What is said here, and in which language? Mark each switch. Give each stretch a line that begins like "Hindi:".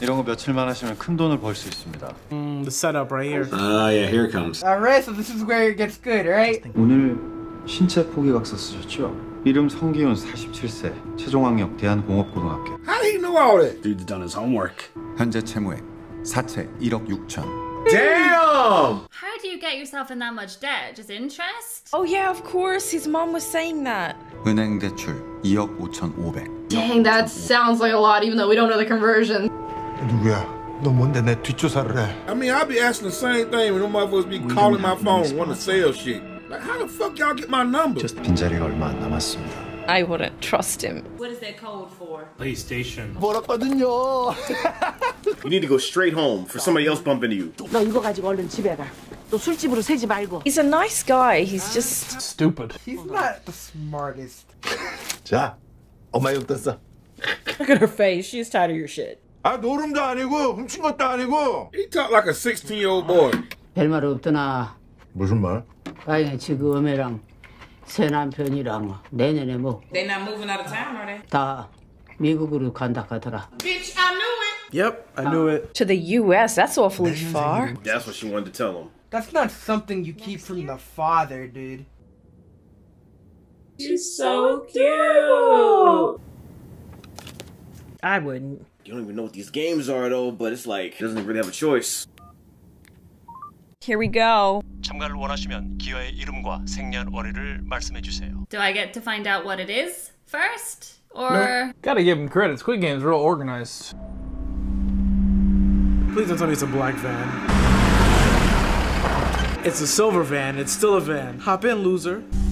Korean: 이런 거 며칠만 하시면 큰 돈을 벌 수 있습니다.
English: The setup right here. Yeah, here it comes. Alright, so this is where it gets good, right?
Korean: 오늘 신체 포기 각서 쓰셨죠? 이름 성기훈 47세, 최종학력 대한공업고등학교.
English: How do you know all that? Dude's done his homework.
Korean: 현재 채무액 4채 1억 6천.
English: Damn! How get yourself in that much debt? Just interest? Oh yeah, of course. His mom was saying that.
Korean: 은행 대출 2억 5,500.
English: Dang, that sounds like a lot, even though we don't know the conversion.
Korean: 누구야? 너 뭔데 내 뒷조사를 해?
English: I mean, I'll be asking the same thing when them motherfuckers be calling my phone, want to sell shit. Like, how the fuck y'all get my number? Just
Korean: 빈자리 얼마 안 남았습니다.
English: I wouldn't trust him. What is that code for? PlayStation.
Korean: 벌었거든요.
English: You need to go straight home for somebody else bumping into you.
Korean: 너 이거 가지고 얼른 집에 가. 너 술집으로 새지 말고.
English: He's a nice guy. He's just... stupid. He's not the smartest.
Korean: 자, 엄마 욕 떴어.
English: Look at her face. She's tired of your shit.
Korean: 아, 노름도 아니고 훔친 것도 아니고.
English: He talk like a 16-year-old boy.
Korean: 별 말 없더나. 무슨 말? 아니, 지금 엄마랑... 새 남편이랑 내년에 뭐
English: They not moving out of town, are they?
Korean: 다 미국으로 간다 하더라
English: Bitch, I knew it! Yep, I knew it. To the US, that's awfully far. That's what she wanted to tell him. That's not something you keep from the father, dude. She's so cute! I wouldn't. You don't even know what these games are, though, but it's like, he doesn't really have a choice. Here we go.
Korean: 참가를 원하시면 기여의 이름과 생년월일을 말씀해 주세요.
English: Do I get to find out what it is first? Or... No. Gotta give him credit. Squid Game's real organized. Please don't tell me it's a black van. It's a silver van. It's still a van. Hop in, loser.